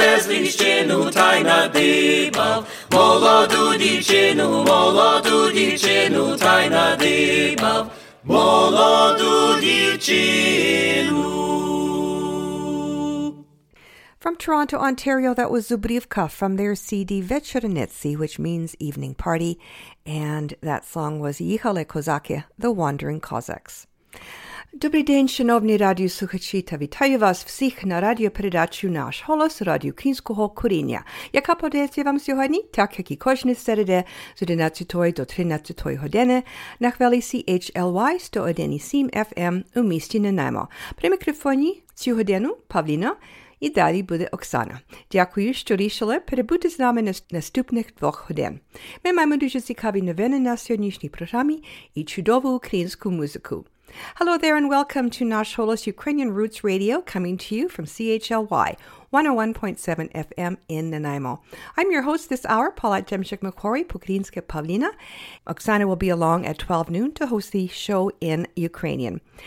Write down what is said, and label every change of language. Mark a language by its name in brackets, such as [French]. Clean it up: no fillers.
[Ukrainian] Ліщину та й надибав, молоду дівчину, та й надибав, молоду дівчину. [English] From Toronto, Ontario, that was Zubrivka from their CD Vecherenitsi, which means evening party, and that song was Jihale Kozaki, the Wandering Cossacks. [Ukrainian] Добрий день, шановні радіослухачі, та вітаю вас всіх на радіопередачі «Наш голос» радіо Кінського коріння, яка подається вам сьогодні, так як і кожні середи з 11 до 13 години на хвилі CHLY 101.7 FM у місті Нанаймо. При мікрофоні цю годину Павліна і далі буде Оксана. Дякую, що рішили перебути з нами на наступних двох годин. Ми маємо дуже цікаві новини на сьогоднішній програмі і чудову українську музику. [English] Hello there and welcome to Nash Holos Ukrainian Roots Radio, coming to you from CHLY 101.7 FM in Nanaimo. I'm your host this hour, Paulette Demchik-McCory, Pukrinska Pavlina. Oksana will be along at 12 noon to host the show in Ukrainian.